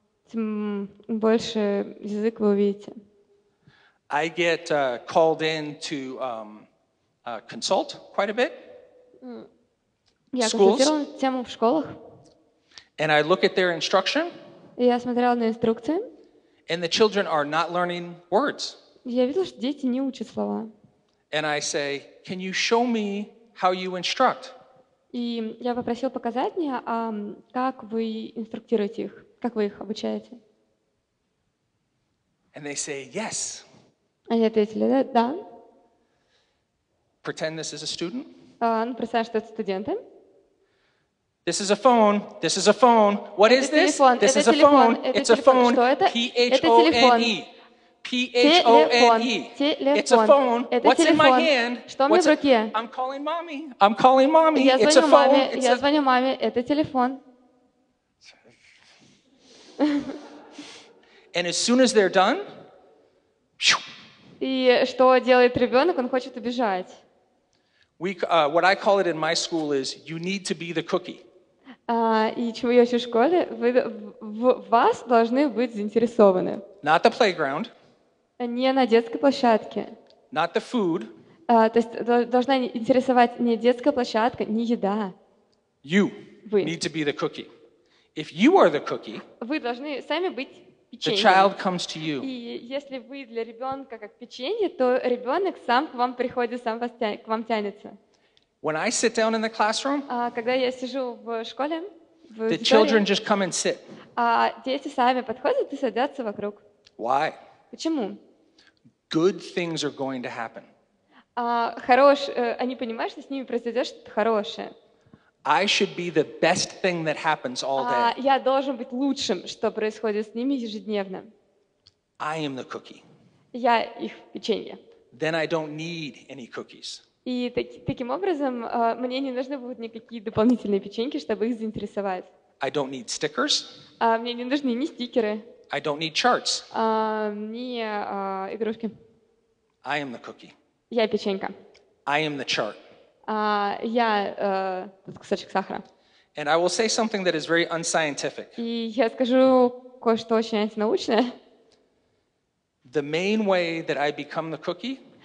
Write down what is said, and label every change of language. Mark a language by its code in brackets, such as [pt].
[ru] Тем больше язык вы увидите. [en] I get called in to consult quite a bit. [ru] Я консультировал тему в школах. [en] And I look at their instruction. [ru] Я смотрел на инструкции. [en] And the children are not learning words. [ru] Я видел, что дети не учат слова. [en] And I say, can you show me how you instruct? [ru] И я попросил показать мне, как вы инструктируете их, как вы их обучаете. [en] And they say, yes. [ru] Они ответили, да. [en] Pretend this is a student. [ru] Представим, что это студенты. [en] This is a phone. This is a phone. What is this? This is a phone. It's a phone. P-H-O-N-E. P-H-O-N-E. It's a phone. What's in my hand? [ru] Что у меня в руке? [en] I'm calling mommy. I'm calling mommy. It's a phone. [ru] Я звоню маме. Это телефон. [en] And as soon as they're done, [ru] и что делает ребенок? Он хочет убежать. [en] What I call it in my school is, you need to be the cookie. [ru] И чего я учу в школе? Вы, в вас должны быть заинтересованы. [en] Not the playground. [ru] Не на детской площадке. [en] Not the food. [ru] То есть должна интересовать не детская площадка, не еда. [en] You. [ru] Вы. [en] Need to be the cookie. If you are the cookie. [ru] Вы должны сами быть печеньем. [en] The child comes to you. [ru] И если вы для ребенка как печенье, то ребенок сам к вам приходит, сам вас к вам тянется. [en] When I sit down in the classroom, [ru] когда я сижу в школе, в [en] the children just come and sit. [ru] Дети сами подходят и садятся вокруг. [en] Why? [ru] Почему? [en] Good things are going to happen. [ru] Они понимают, что с ними произойдет что-то хорошее. [en] I should be the best thing that happens all day. [ru] Я должен быть лучшим, что происходит с ними ежедневно. [en] I am the cookie. [ru] Я их печенье. [en] Then I don't need any cookies. [ru] И таким образом мне не нужны будут никакие дополнительные печеньки, чтобы их заинтересовать. [en] I don't need stickers. [ru] Мне не нужны ни стикеры. [en] I don't need charts. [ru] Ни игрушки. [en] I am the cookie. [ru] Я печенька. [en] I am the chart. [ru] Я кусочек сахара. [en] And I will say something that is very unscientific. [ru] И я скажу кое-что очень антинаучное. [en] The main way that I become the cookie.